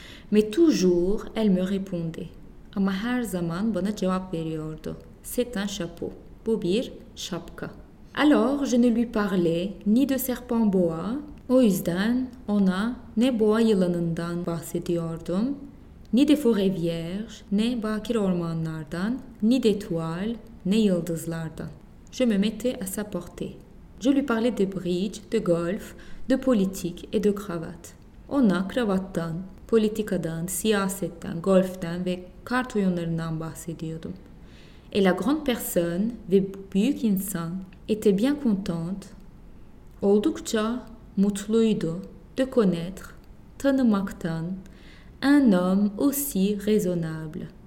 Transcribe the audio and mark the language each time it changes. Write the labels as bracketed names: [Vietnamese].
[French] Mais toujours, elle me répondait. [Turkish] Ama her zaman bana cevap veriyordu. [French] C'est un chapeau. [Turkish] Bu bir şapka. [French] Alors, je ne lui parlais ni de serpent boa. [Turkish] O yüzden ona ne boa yılanından bahsediyordum, [French] ni de forêt vierge, [Turkish] ne bakir ormanlardan, [French] ni d'étoiles, [Turkish] ne yıldızlardan. [French] Je me mettais à sa portée. Je lui parlais de bridge, de golf, de politique et de cravate. [Turkish] Ona kravattan, politikadan, siyasetten, golften ve kart oyunlarından bahsediyordum. [French] Et la grande personne [Turkish] ve büyük insan [French] était bien contente, [Turkish] oldukça mutluydu, [French] de connaître, [Turkish] tanımaktan, [French] un homme aussi raisonnable.